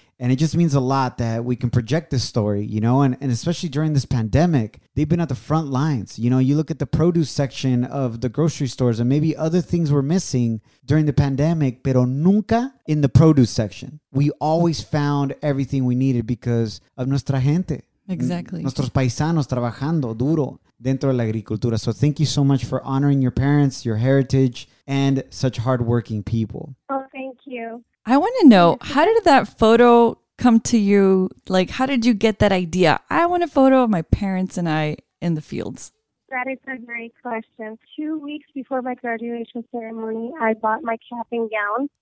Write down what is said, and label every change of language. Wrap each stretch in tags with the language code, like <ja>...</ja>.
<en>And it just means a lot that we can project this story, you know, and especially during this pandemic, they've been at the front lines. You know, you look at the produce section of the grocery stores and maybe other things were missing during the pandemic,</en> <es>pero nunca</es> <en>in the produce section. We always found everything we needed because of</en> <es>nuestra gente.</es> <en>Exactly.</en> <es>Nuestros paisanos trabajando duro dentro de la agricultura.</es> <en>So thank you so much for honoring your parents, your heritage, and such hardworking people. Oh, thank you. I want to know, how did that photo come to you? Like, how did you get that idea? I want a photo of my parents and I in the fields. That is a great question. 2 weeks before my graduation ceremony, I bought my cap and gown.</en>